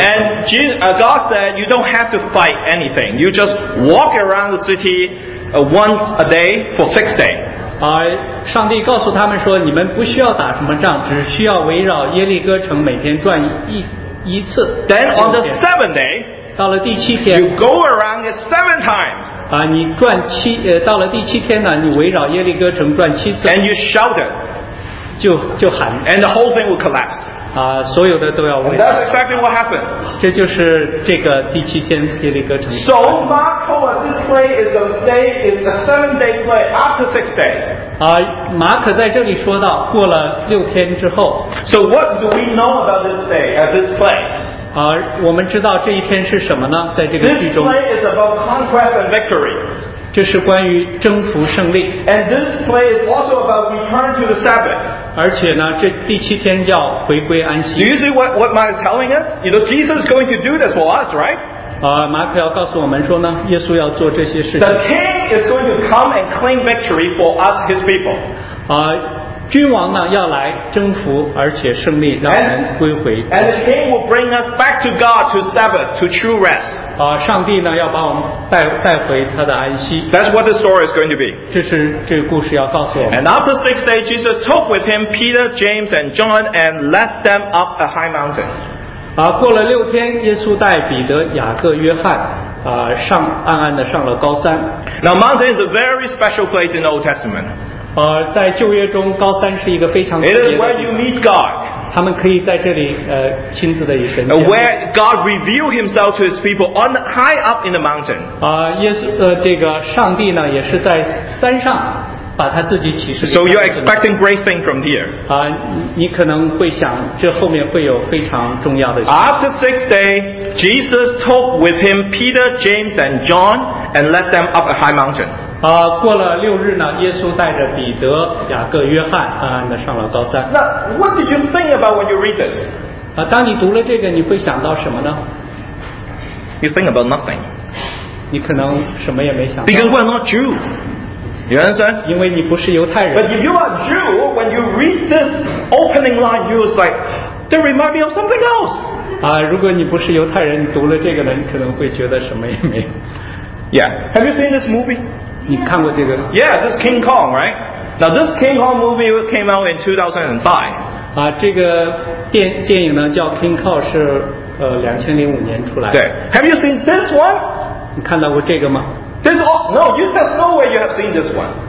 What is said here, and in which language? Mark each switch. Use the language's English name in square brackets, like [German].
[English] And Jesus, God said, you don't have to fight anything. You just walk around the city once a day for 6 days. [Chinese] 上帝告诉他们说，你们不需要打什么仗，只需要围绕耶利哥城每天转一次。 [English] Then on the seventh day, [Chinese] 到了第七天 [English] you go around it 7 times. [Chinese] 你转七到了第七天呢，你围绕耶利哥城转七次。 [English] And you shouted, [Chinese] 就喊。 [English] And the whole thing will collapse. [Chinese] 所有的都要围绕。 [English] That's exactly what happened. [Chinese] 这就是这个第七天耶利哥城。 [English] So Marco, this play is a 7 day play after 6 days. [Chinese] 马可在这里说到，过了六天之后。 [English] So what do we know about this day at this play? [Chinese] 我们知道这一天是什么呢？在这个剧中。 [English] This play is about conquest and victory. [Chinese] 这是关于征服胜利。 [English] And this play is also about return to the Sabbath. [Chinese] 而且呢，这第七天叫回归安息。 [English] Do you see what Mark is telling us? You know, Jesus is going to do this for us, right? [Chinese] 马可要告诉我们说呢，耶稣要做这些事情。 [English] The king is going to come and claim victory for us, his people. [Chinese] 君王呢要来征服，而且胜利，让我们归回。 [English] And the king will bring us back to God, to Sabbath, to true rest. [Chinese] 上帝呢要把我们带回他的安息。 [English] That's what the story is going to be. [Chinese] 这是这个故事要告诉我们。 [English] And after 6 days, Jesus took with him Peter, James, and John, and led them up a high mountain. [Chinese] 过了六天，耶稣带彼得、雅各、约翰。上暗暗的上了高山。 [English] Now mountain is a very special place in the Old Testament. [Chinese] 在旧约中，高山是一个非常特别的地方。 [English] It is where you meet God. [Chinese] 他们可以在这里亲自的与神见面。 [English] Where God revealed Himself to His people on high up in the mountain. [Chinese] 这个上帝呢，也是在山上把他自己启示。 [English] So you're expecting great things from here. [Chinese] 你可能会想，这后面会有非常重要的。 [English] After 6 days, Jesus took with Him Peter, James, and John, and led them up a high mountain. [Chinese] 过了六日呢，耶稣带着彼得、雅各、约翰暗暗的上了高山。 [English] 那 what did you think about when you read this? [Chinese] 当你读了这个，你会想到什么呢？ [English] You think about nothing. [Chinese] 你可能什么也没想到。 [English] Because we're not Jew. You understand? [Chinese] 因为你不是犹太人。 [English] But if you are Jew, when you read this opening line, you was like, that remind me of something else. [Chinese] 如果你不是犹太人，你读了这个呢，你可能会觉得什么也没有。 [English] Yeah. Have you seen this movie? [Chinese] 你看过这个？ [English] Yeah, this King Kong, right? Now this King Kong movie came out in 2005. [Chinese] 这个电影呢叫 King Kong 是2005年出来的。 [English] 对。Have you seen this one? [Chinese] 你看到过这个吗？ [English] This all, no, you, there's no way you have seen this one.